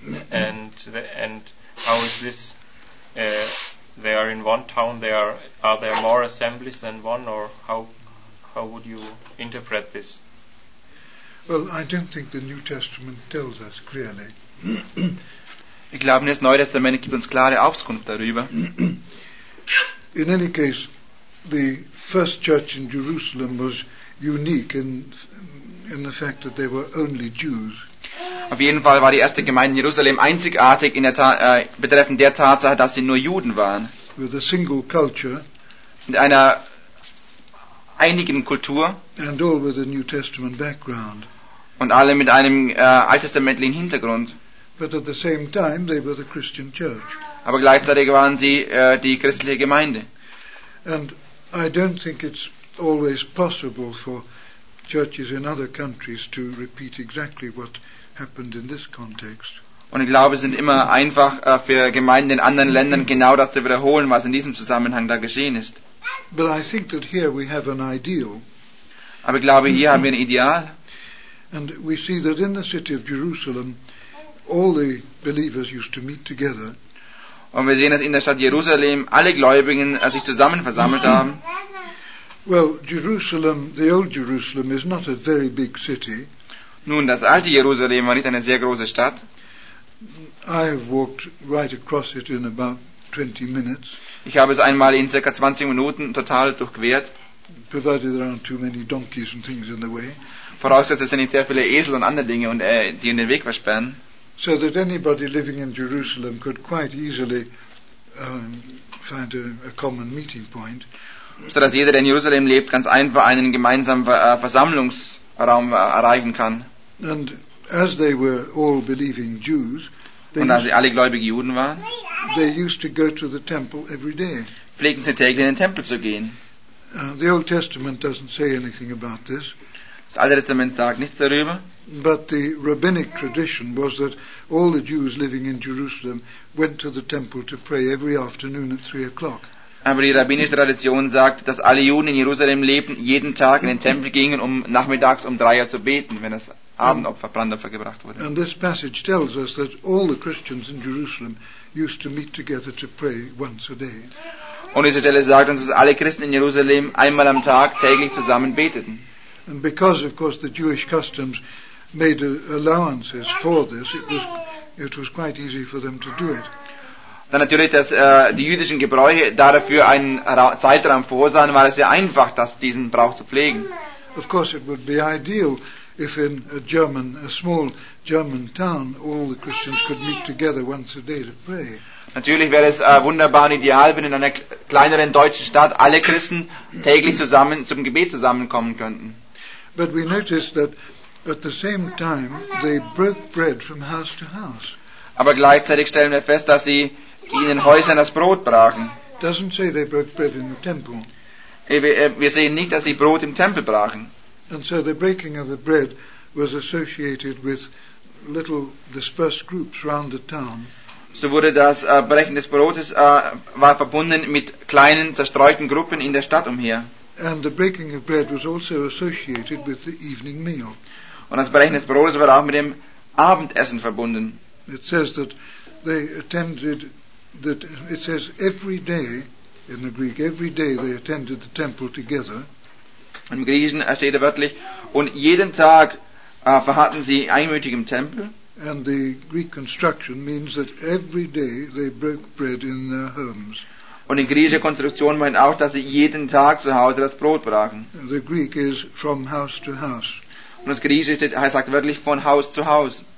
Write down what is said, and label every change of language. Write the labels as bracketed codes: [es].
[en] And how is this? They are in one town. Are there more assemblies than one, or how would you interpret this? Well, I don't think the New Testament tells us clearly. [de] Ich glaube, das Neue Testament gibt uns klare Aufschrift darüber. [en] In any case, the first church in Jerusalem was unique in the fact that they were only Jews. [de] Auf jeden Fall war die erste Gemeinde in Jerusalem einzigartig in der betreffend der Tatsache, dass sie nur Juden waren. [en] With a single culture. [de] Mit einer einigen Kultur. [en] And all with a New Testament background. [de] Und alle mit einem alttestamentlichen Hintergrund. [en] But at the same time they were the Christian church. [de] Aber gleichzeitig waren sie die christliche Gemeinde. [en] And I don't think it's always possible for churches in other countries to repeat exactly what happened in this context. [de] Und ich glaube, es sind immer einfach für Gemeinden in anderen Ländern genau das zu wiederholen, was in diesem Zusammenhang da geschehen ist. [en] But I think that here we have an ideal. [de] Aber ich glaube, hier haben wir ein Ideal. [en] And we see that in the city of Jerusalem all the believers used to meet together. [de] Und wir sehen, dass in der Stadt Jerusalem alle Gläubigen sich zusammen versammelt haben. [en] Well, Jerusalem, the old Jerusalem is not a very big city. [de] Nun, das alte Jerusalem war nicht eine sehr große Stadt. [en] I have walked right across it in about 20 minutes. [de] Ich habe es einmal in circa 20 Minuten total durchquert. [en] Provided there aren't too many donkeys and things in the way. [de] Vorausgesetzt, es sind nicht sehr viele Esel und andere Dinge, und die in den Weg versperren. [en] So that anybody living in Jerusalem could quite easily find a common meeting point. [de] So dass jeder, der in Jerusalem lebt, ganz einfach einen gemeinsamen Versammlungsraum erreichen kann. [en] And as they were all believing Jews, [de] und als sie alle gläubige Juden waren, [en] they used to go to the temple every day. [de] Pflegten sie täglich in den Tempel zu gehen. [en] The Old Testament doesn't say anything about this. [de] Das Alte Testament sagt nichts darüber. [en] But the rabbinic tradition was that all the Jews living in Jerusalem went to the temple to pray every afternoon at 3 o'clock. [de] Aber die rabbinische Tradition sagt, dass alle Juden in Jerusalem lebten, jeden Tag in den Tempel gingen, um nachmittags um 3 Uhr zu beten, wenn das Abendopfer, Brandopfer gebracht wurde. [en] And this passage tells us that all the Christians in Jerusalem used to meet together to pray once a day. [de] Und diese Stelle sagt uns, dass alle Christen in Jerusalem einmal am Tag täglich zusammen beteten. [en] And because, of course, the Jewish customs made allowances for this, it was quite easy for them to do it. [de] Dann natürlich, dass die jüdischen Gebräuche dafür einen Zeitraum vorsahen, war es sehr einfach, das diesen Brauch zu pflegen. [en] Of course, it would be ideal if in a small German town all the Christians could meet together once a day to pray. [de] Natürlich wäre es wunderbar und ideal, wenn in einer kleineren deutschen Stadt alle Christen täglich zusammen zum Gebet zusammenkommen könnten. [en] But we noticed that at the same time they broke bread from house to house. [de] Aber gleichzeitig stellen wir fest, dass sie in den Häusern das Brot brachen. [en] Doesn't say they broke bread in the temple. [de] Wir sehen nicht, dass sie Brot im Tempel brachen. [en] And so the breaking of the bread was associated with little dispersed groups around the town. [de] So wurde das Brechen des Brotes war verbunden mit kleinen zerstreuten Gruppen in der Stadt umher. [en] And the breaking of bread was also associated with the evening meal. [de] Und das Brechen des Brotes wird auch mit dem Abendessen verbunden. [en] It says that they attended that it says every day in the Greek, every day they attended the temple together. [de] Im Griechischen steht er wörtlich, und jeden Tag verharrten sie einmütig im Tempel. [en] And the Greek construction means that every day they broke bread in their homes. [de] Und die griechische Konstruktion meint auch, dass sie jeden Tag zu Hause das Brot brachen. [en] The Greek is from house to house. [de] Und das Griechische sagt wörtlich von Haus zu Haus.